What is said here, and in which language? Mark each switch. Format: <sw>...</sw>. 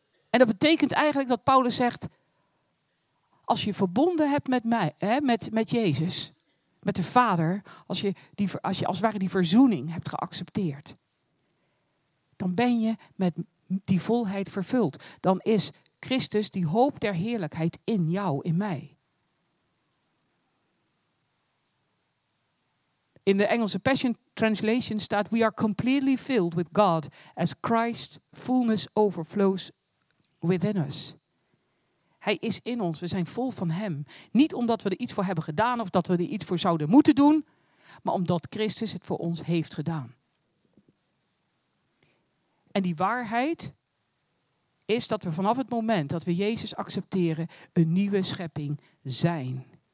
<nl>En dat betekent eigenlijk dat Paulus zegt, als je verbonden hebt met mij, met Jezus, met de Vader, als je als het ware die verzoening hebt geaccepteerd, dan ben je met die volheid vervuld. Dan is Christus die hoop der heerlijkheid in jou, in mij. In de Engelse Passion Translation staat,</nl> <en>we are completely filled with God as Christ's fullness overflows within us.</en> <nl>Hij is in ons, we zijn vol van hem. Niet omdat we er iets voor hebben gedaan of dat we er iets voor zouden moeten doen, maar omdat Christus het voor ons heeft gedaan. En die waarheid is dat we vanaf het moment dat we Jezus accepteren, een nieuwe schepping zijn.</nl>